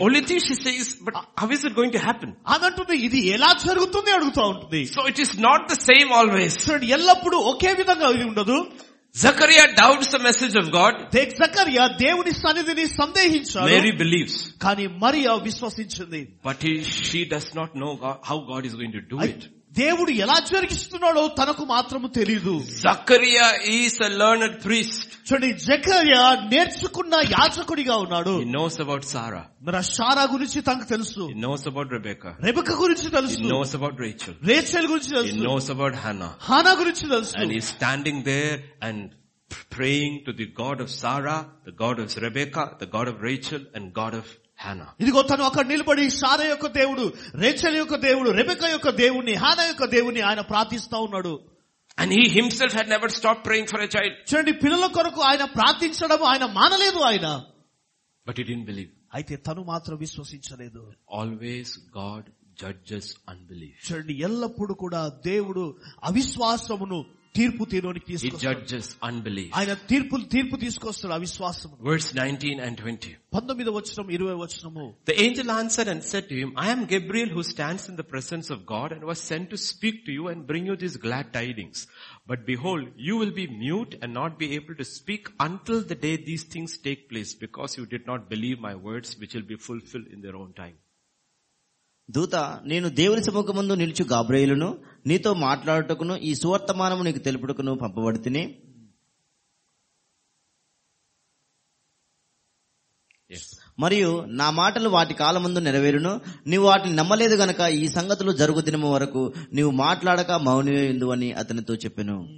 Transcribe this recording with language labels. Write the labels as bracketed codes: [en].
[en] Only thing she says, but how is it going to happen? [te] ఆమె అంటుంది ఇది ఎలా జరుగుతుంది అడుగుతా ఉంటుంది. [en] So it is not the same always. [te] చూడండి ఎల్లప్పుడు ఒకే విధంగా ఇది ఉండదు. [en] Zachariah doubts the message of God. [te] Zachariah దేవుని సన్నిధిని సందేహించాడు. [en] Mary believes. [te] కానీ Mariya విశ్వసించింది. [en] But she does not know how God is going to do it. [te] దేవుడు ఎలా జరిగిస్తున్నాడో తనకు మాత్రం తెలీదు. [en] Zachariah is a learned priest. [te] చూడండి జకరియా నేర్చుకున్న యాజకుడిగా ఉన్నాడు. [en] He knows about Sarah. [te] మరి సారా గురించి తనకు తెలుసు. [en] He knows about Rebecca. [te] రెబెక్క గురించి తెలుసు. [en] He knows about Rachel. [te] Rachel గురించి తెలుసు. [en] He knows about Hannah. [te] హానా గురించి తెలుసు. [en] And he's standing there and praying to the God of Sarah, the God of Rebecca, the God of Rachel and God of Hannah. [te] ఇదిగో తను అక్కడ నిలబడి సారా యొక్క దేవుడు, రేచెల్ యొక్క దేవుడు, రెబెకా యొక్క దేవుని, హానా యొక్క దేవుని ఆయన ప్రార్థిస్తా ఉన్నాడు. [en] And he himself had never stopped praying for a child. [te] చూడండి పిల్లల కొరకు ఆయన ప్రార్థించడం ఆయన మానలేదు ఆయన. [en] But he didn't believe. [te] అయితే తను మాత్రం విశ్వసించలేదు. [en] Always God judges unbelief. [te] చూడండి ఎల్లప్పుడూ కూడా దేవుడు అవిశ్వాసమును తీర్పు తీరడానికి తీసుకొస్తాడు. [en] He judges unbelief. [te] ఆయన తీర్పు తీసుకొస్తాడు అవిశ్వాసము. [en] Verse 19 and 20. [te] 19వ వచనం 20వ వచనము. [en] The angel answered and said to him, I am Gabriel who stands in the presence of God and was sent to speak to you and bring you these glad tidings. But behold, you will be mute and not be able to speak until the day these things take place because you did not believe my words which will be fulfilled in their own time. [te] దూత నేను దేవుని సముఖమందు నిలుచు గాబ్రియేలును నీతో మాట్లాడుటకును ఈ సువర్తమానము నీకు తెలుపుటకును పంపబడితిని. [en] Yes. [te] మరియు నా మాటలు వాటి కాలమందు నెరవేరును, నీవు వాటిని నమ్మలేదు గనక ఈ సంగతులు జరుగు దినము వరకు నీవు మాట్లాడక మౌనియందు అని అతనితో చెప్పెను.